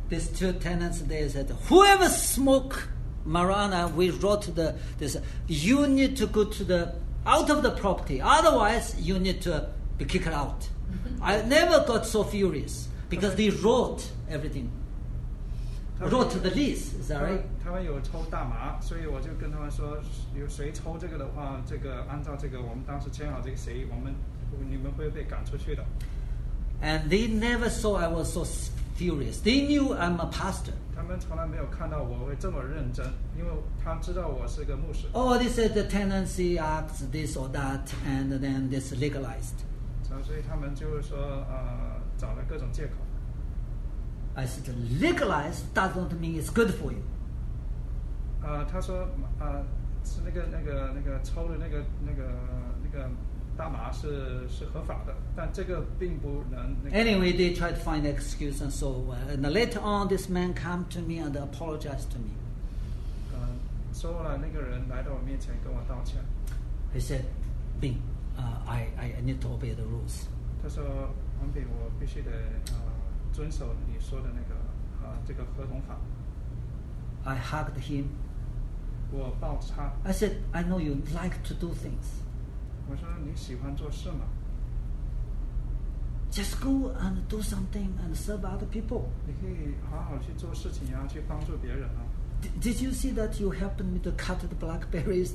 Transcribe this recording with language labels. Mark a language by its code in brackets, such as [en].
[en] These two tenants there said, "Whoever smoke marijuana, we wrote the this. You need to go to the out of the property. Otherwise, you need to be kicked out." I never got so furious because they wrote everything. Wrote the lease. Is that right? [zh] 他们有抽大麻，所以我就跟他们说，有谁抽这个的话，这个按照这个我们当时签好这个协议，你们会被赶出去的。 [en] And they never saw I was so furious. They knew I'm a pastor. [zh] 他们从来没有看到我会这么认真，因为他知道我是个牧师。 [en] Oh, they said the tenancy acts this or that, and then this legalized. [zh] 所以他们就是说，找了各种借口。 [en] I said legalized doesn't mean it's good for you. [zh] 他说，是那个抽的那个。大麻是合法的，但这个并不能、 [en] Anyway, they tried to find an excuse and so on. And later on, this man came to me and apologized to me. [zh] 说后来那个人来到我面前跟我道歉。 [en] He said, "Bing, I need to obey the rules." [zh] 他说，王炳，我必须得遵守你说的那个这个合同法。 [en] I hugged him. [zh] 我抱着他。 [en] I said, "I know you like to do things." [zh] 我说你喜欢做事吗 [en] ？Just go and do something and serve other people. [zh] 你可以好好去做事情呀，去帮助别人啊。 [en] Did you see that you helped me to cut the blackberries?